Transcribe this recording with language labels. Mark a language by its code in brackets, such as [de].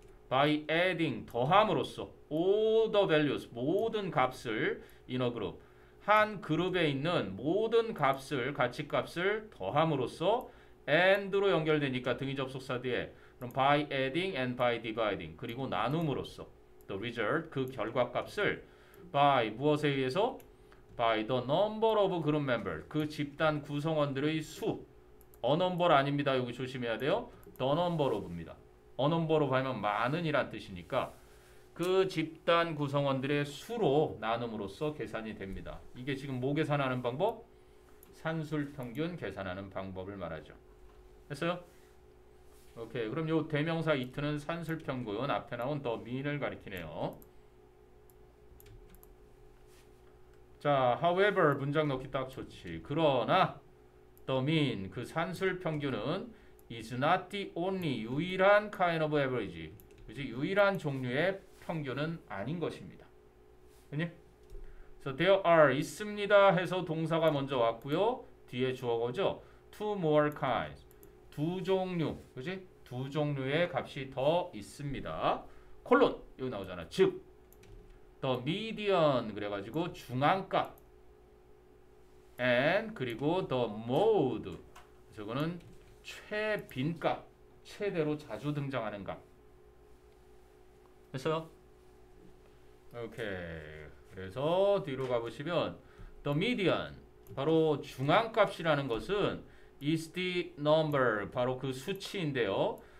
[en] by adding, [ko] 더함으로써 [en] all the values, [ko] 모든 값을 [en] in a group, [ko] 한 그룹에 있는 모든 값을, 가치값을 더함으로써 and로 연결되니까 등이 접속사 뒤에 그럼 [en] by adding and by dividing, [ko] 그리고 나눔으로써 [en] the result, [ko] 그 결과값을 by 무엇에 의해서? [en] by the number of group members, [ko] 그 집단 구성원들의 수. [en] a number 아닙니다. [ko] 여기 조심해야 돼요. the number of입니다. a number of 하면 많은 이란 뜻이니까 그 집단 구성원들의 수로 나눔으로써 계산이 됩니다. 이게 지금 뭐 계산하는 방법? 산술평균 계산하는 방법을 말하죠. 했어요? 오케이. 그럼 요 대명사 it는 산술평균 앞에 나온 the mean을 가리키네요. 자, however 문장 넣기 딱 좋지. 그러나 [en] the mean [ko] 그 산술평균은 [en] is not the only 유일한 kind of average 그지? [ko] 유일한 종류의 평균은 아닌 것입니다. 그니? [en] So there are [ko] 있습니다 해서 동사가 먼저 왔고요. 뒤에 주어거죠. [en] Two more kinds. [ko] 두 종류. 그지? 두 종류의 값이 더 있습니다. 콜론. 여기 나오잖아. 즉, the median. 그래가지고 중앙값. [en] And [ko] 그리고 [en] the mode. [ko] 저거는 최빈값. 최대로 자주 등장하는 값. 됐어요? 오케이. 그래서 뒤로 가보시면 [en] the median [ko] 바로 중앙값이라는 것은 [en] is the number [ko] 바로 그 수치인데요.